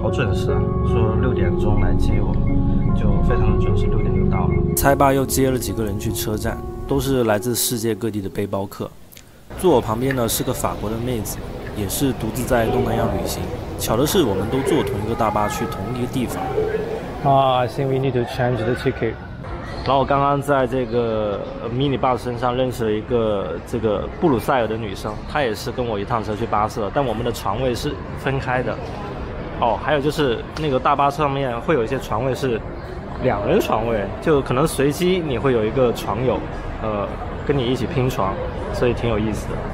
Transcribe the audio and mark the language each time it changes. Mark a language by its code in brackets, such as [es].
[zh] 好准时啊，说6点来接我，就非常的准时，6点就到了。猜爸又接了几个人去车站，都是来自世界各地的背包客。坐我旁边的是个法国的妹子。也是独自在东南亚旅行，巧的是我们都坐同一个大巴去同一个地方。 [en] I think we need to change the ticket. [zh] 然后我刚刚在这个 mini bus 身上认识了一个这个布鲁塞尔的女生，她也是跟我一趟车去巴色，但我们的床位是分开的。哦，还有就是那个大巴上面会有一些床位是两人床位，就可能随机你会有一个床友，跟你一起拼床，所以挺有意思的。